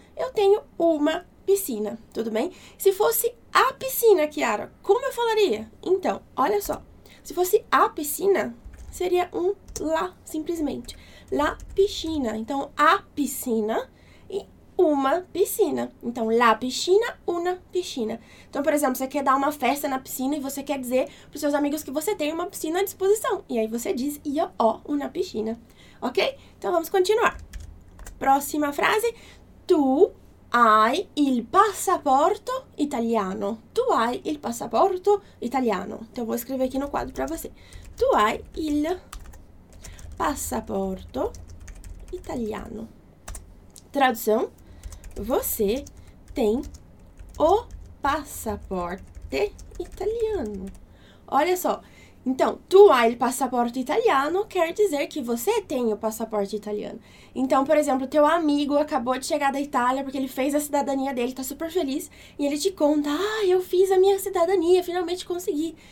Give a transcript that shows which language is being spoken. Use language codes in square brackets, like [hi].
[pt] Eu tenho uma piscina, tudo bem? Se fosse a piscina, Chiara, como eu falaria? Então, olha só. Se fosse a piscina, seria um la, simplesmente. [it] La piscina. [pt] Então, a piscina e uma piscina. Então, [it] la piscina, una piscina. [pt] Então, por exemplo, você quer dar uma festa na piscina e você quer dizer para os seus amigos que você tem uma piscina à disposição. E aí você diz [it] io ho una piscina. [pt] Ok? Então, vamos continuar. Próxima frase. [it] Tu hai il passaporto italiano. Tu hai il passaporto italiano. [pt] Então, vou escrever aqui no quadro para você. [it] Tu hai il passaporto italiano. [pt] Tradução: você tem o passaporte italiano. Olha só. Então, [it] tu hai il passaporto italiano [pt] quer dizer que você tem o passaporte italiano. Então, por exemplo, teu amigo acabou de chegar da Itália porque ele fez a cidadania dele, tá super feliz, e ele te conta: ah, eu fiz a minha cidadania, finalmente consegui.